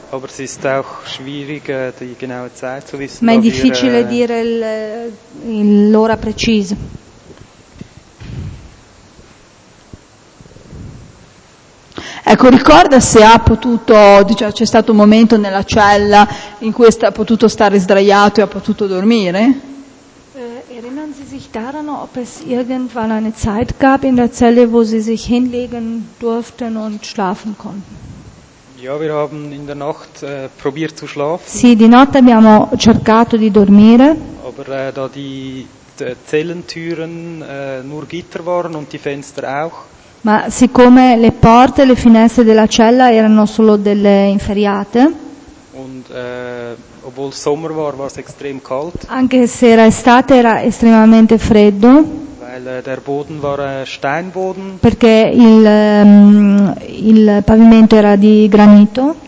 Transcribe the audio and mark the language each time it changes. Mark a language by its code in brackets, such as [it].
[de] Aber es ist auch schwierig, die genaue Zeit zu wissen. [it] Ma è difficile dire l'ora precisa. Ecco, ricorda se ha potuto, diciamo, c'è stato un momento nella cella in cui ha potuto stare sdraiato e ha potuto dormire? [de] Erinnern Sie sich daran, ob es irgendwann eine Zeit gab in der Zelle, wo Sie sich hinlegen durften und schlafen konnten? Ja, wir haben in der Nacht probiert zu schlafen. [it] Sì, di notte abbiamo cercato di dormire. [de] Aber da die Zellentüren nur Gitter waren und die Fenster auch. [it] Ma siccome le porte e le finestre della cella erano solo delle inferriate. [de] Und obwohl Sommer war, war es extrem kalt. [it] Anche se era estate era estremamente freddo. [de] Der Boden war Steinboden. [it] Perché il pavimento era di granito.